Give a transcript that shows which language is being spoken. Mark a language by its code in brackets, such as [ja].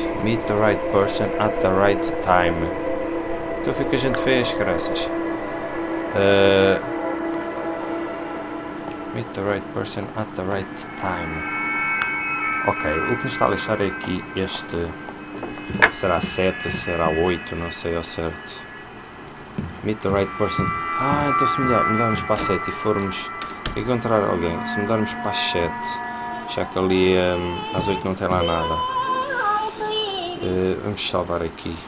[en] Meet the right person at the right time. [pt] Então foi o que a gente fez, caraças. [en] Meet the right person at the right time. [pt] Ok, o que nos está a deixar é aqui este. Será 7, será 8, não sei ao certo. [en] Meet the right person. [pt] Ah, então se mudarmos para 7 e formos encontrar alguém, se mudarmos para 7, já que ali às 8 não tem lá nada. Vamos salvar aqui.